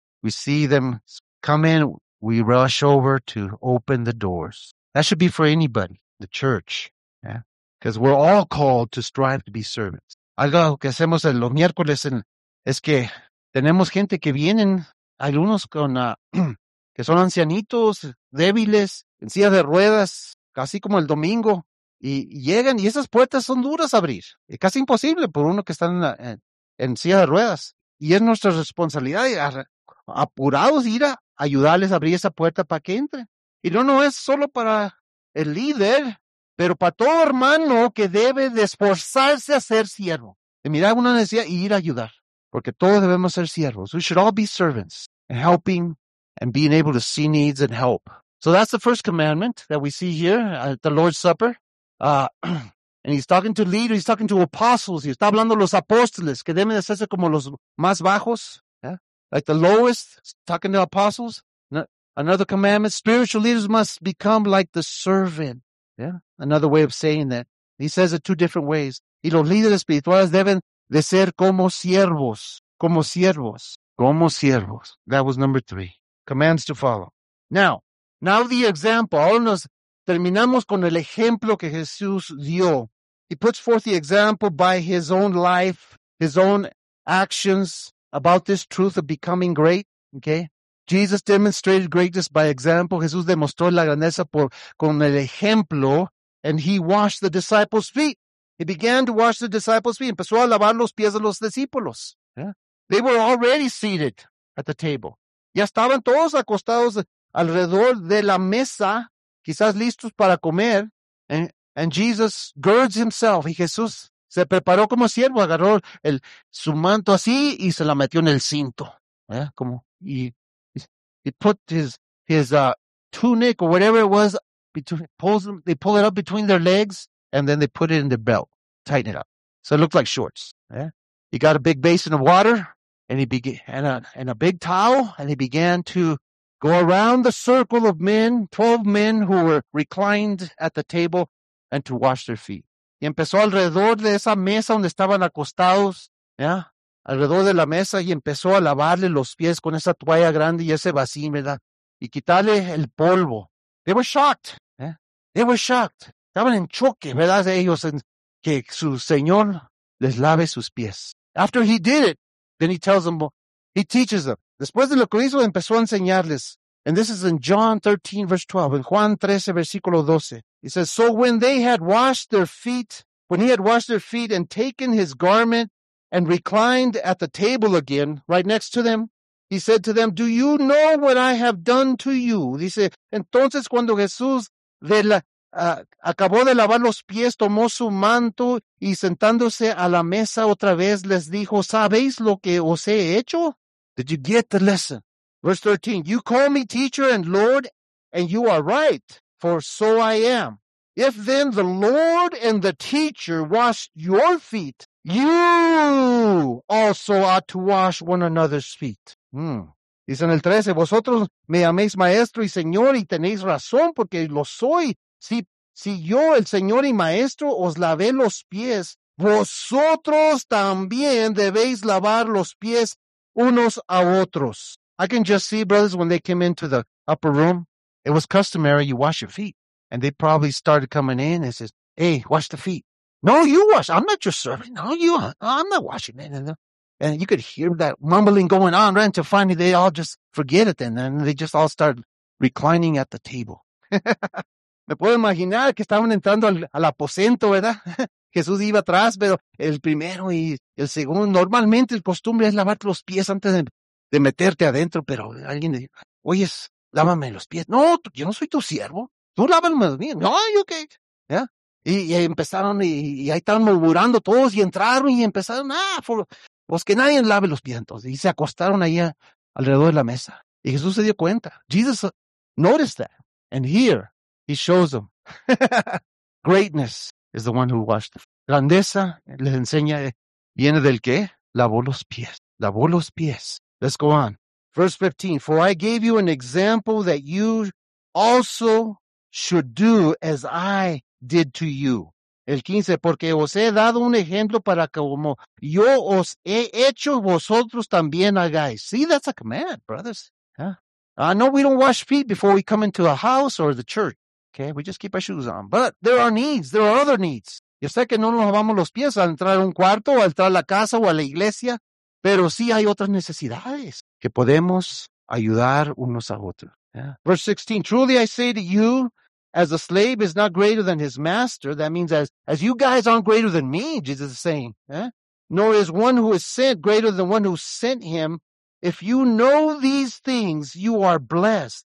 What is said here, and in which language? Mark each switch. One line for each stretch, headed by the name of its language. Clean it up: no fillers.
English: We see them come in, we rush over to open the doors. That should be for anybody, the church. Yeah, because we're all called to strive to be servants.
Spanish: Algo que hacemos los miércoles es que tenemos gente que vienen, algunos con que son ancianitos, débiles, en sillas de ruedas, casi como el domingo. Y llegan y esas puertas son duras a abrir. Es casi imposible por uno que está en silla de ruedas. Y es nuestra responsabilidad, apurados, ir a ayudarles a abrir esa puerta para que entre. Y no es solo para el líder, pero para todo hermano que debe de esforzarse a ser siervo. De mirar una necesidad y ir a ayudar. Porque todos debemos ser siervos.
English: We should all be servants. And helping and being able to see needs and help. So that's the first commandment that we see here at the Lord's Supper. And he's talking to leaders, he's talking to apostles, he
Spanish: está hablando a los apóstoles, que deben hacerse como los más bajos, yeah?
English: Like the lowest, talking to apostles. Another commandment, spiritual leaders must become like the servant. Yeah, another way of saying that. He says it two different ways.
Spanish: Y los líderes espirituales deben de ser como siervos, como siervos, como siervos.
English: That was number three. Commands to follow. Now the example, all of us.
Spanish: Terminamos con el ejemplo que Jesús dio.
English: He puts forth the example by his own life, his own actions about this truth of becoming great. Okay? Jesus demonstrated greatness by example.
Spanish: Jesús demostró la grandeza con el ejemplo.
English: And he washed the disciples' feet. He began to wash the disciples' feet.
Spanish: Empezó a lavar los pies de los discípulos.
English: Yeah? They were already seated at the table.
Spanish: Ya estaban todos acostados alrededor de la mesa. Quizás listos para comer,
English: and Jesus girds himself.
Spanish: Y Jesús se preparó como siervo, agarró su manto así y se la metió en el cinto. ¿Eh?
English: Como, he put his tunic or whatever it was, they pull it up between their legs, and then they put it in their belt, tighten it up. So it looked like shorts. ¿Eh? He got a big basin of water and a big towel, and he began to go around the circle of men, 12 men who were reclined at the table, and to wash their feet.
Spanish: Y empezó alrededor de esa mesa donde estaban acostados, ¿ya? Alrededor de la mesa, y empezó a lavarle los pies con esa toalla grande y ese bacín, ¿verdad? Y quitarle el polvo.
English: They were shocked, ¿eh? They were shocked.
Spanish: Estaban en choque, ¿verdad? Ellos, que su Señor les lave sus pies.
English: After he did it, then he tells them, he teaches them.
Spanish: Después de lo que hizo, empezó a enseñarles.
English: And this is in John 13, verse 12.
Spanish: In Juan 13, versículo 12.
English: He says, so when they had washed their feet, when he had washed their feet and taken his garment and reclined at the table again, right next to them, He said to them, do you know what I have done to you?
Spanish: Dice, entonces cuando Jesús acabó de lavar los pies, tomó su manto y sentándose a la mesa otra vez les dijo, ¿sabéis lo que os he hecho?
English: Did you get the lesson? Verse 13, you call me teacher and Lord, and you are right, for so I am. If then the Lord and the teacher washed your feet, you also ought to wash one another's feet.
Spanish: Dice en el 13, vosotros me llaméis maestro y señor y tenéis razón porque lo soy. Si yo, el señor y maestro, os lavé los pies, vosotros también debéis lavar los pies unos a otros.
English: I can just see, brothers, when they came into the upper room, it was customary, you wash your feet. And they probably started coming in and says, hey, wash the feet. No, you wash. I'm not your servant. No, you are. I'm not washing it. And you could hear that mumbling going on, right? Until finally, they all just forget it. And then they just all started reclining at the table.
Spanish: Me puedo imaginar que estaban entrando al aposento, ¿verdad? Jesús iba atrás, pero el primero y el segundo. Normalmente, el costumbre es lavarte los pies antes de meterte adentro. Pero alguien le dijo, oye, lávame los pies. No, yo no soy tu siervo. Tú lávame los pies. No, yo qué. ¿Ya? Y empezaron, y ahí estaban murmurando todos, y entraron y empezaron, pues que nadie lave los pies entonces. Y se acostaron ahí alrededor de la mesa. Y Jesús se dio cuenta.
English: Jesus noticed that. And here, he shows them. Greatness is the one who washed the feet.
Spanish: Grandeza, les enseña, viene del qué? Lavó los pies. Lavó los pies.
English: Let's go on. Verse 15. For I gave you an example that you also should do as I did to you.
Spanish: El 15, porque os he dado un ejemplo para que como yo os he hecho, vosotros también hagáis.
English: See, that's a command, brothers. Yeah. I know we don't wash feet before we come into a house or the church. Okay, we just keep our shoes on. But there are needs. There are other needs.
Spanish: Yo sé que no nos lavamos los pies al entrar a un cuarto, o al entrar a la casa o a la iglesia, pero sí hay otras necesidades que podemos ayudar unos a otros.
English: Yeah. Verse 16, truly I say to you, as a slave is not greater than his master. That means as you guys aren't greater than me, Jesus is saying. Eh? Nor is one who is sent greater than one who sent him. If you know these things, you are blessed.